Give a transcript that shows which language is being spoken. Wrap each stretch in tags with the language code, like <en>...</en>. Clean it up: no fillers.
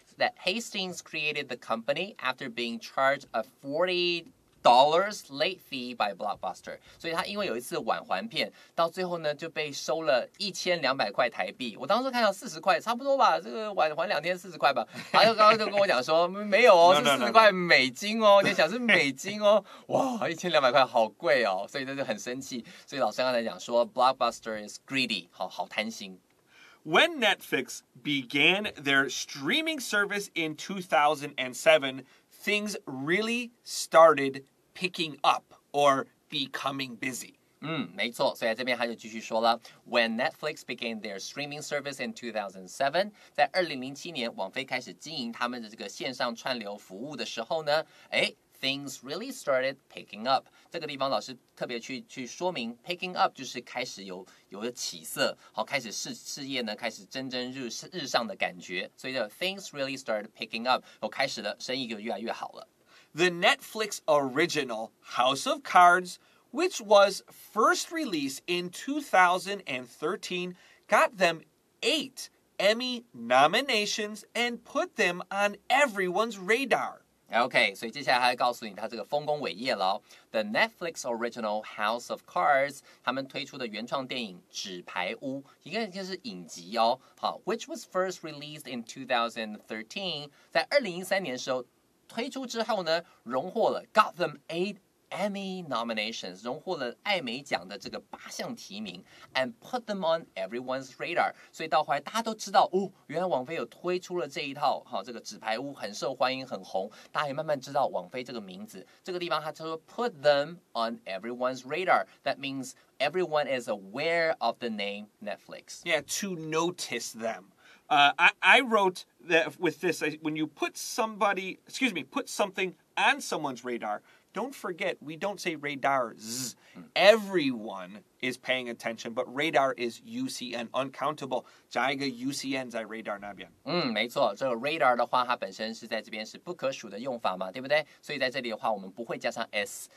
<en>That Hastings created the company after being charged a $40 late fee by Blockbuster.</en> <zh>所以他因为有一次晚还片，到最后呢就被收了$1,200。我当时看到40块，差不多吧，这个晚还两天40块吧。他就刚刚就跟我讲说，没有哦，是40块美金哦，就想是美金哦。哇，$1,200好贵哦，所以这就很生气。所以老师刚才讲说，</zh> <en>Blockbuster is greedy，</en> <zh>好贪心。</zh> <en>When Netflix began their streaming service in 2007. Things really started picking up or becoming busy.</en> <zh>没错，所以在这边他就继续说了。</zh> <en>When Netflix began their streaming service in 2007,</en> <zh>在2007年网飞开始经营他们的这个线上串流服务的时候呢，</zh> <en>things really started picking up.</en> <zh>这个地方老师特别去说明 picking up 就是开始有了起色，好，开始事业呢开始蒸蒸日上的感觉，所以就</zh> <en>things really started picking up,</en> <zh>我开始了，生意就越来越好了。</zh> <en>The Netflix original House of Cards, which was first released in 2013, got them 8 Emmy nominations and put them on everyone's radar. OK,</en> <zh>所以接下来他会告诉你他这个丰功伟业了。</zh> <en>The Netflix original House of Cards,</en> <zh>他们推出的原创电影《纸牌屋》，应该就是影集哦。好 ,</zh> <en>which was first released in 2013,</en> <zh>在2013年的时候推出之后呢，荣获了</zh> <en>got them 8 Emmy nominations,</en> <zh>荣获了艾美奖的这个8项提名</zh> <en>and put them on everyone's radar.</en> <zh>所以到后来大家都知道哦，原来网飞有推出了这一套好，这个纸牌屋很受欢迎很红，大家也慢慢知道网飞这个名字。这个地方他就说</zh> <en>put them on everyone's radar. That means everyone is aware of the name Netflix. Yeah, to notice them. I wrote that with this, when you put something on someone's radar,Don't forget, we don't say radars. Everyone is paying attention, but radar is UCN, uncountable.</en> <zh>加一个 UCN 在 radar 那边。没错，这个 radar 的话，它本身是在这边是不可数的用法嘛，对不对？所以在这里的话，我们不会加上 S。</zh>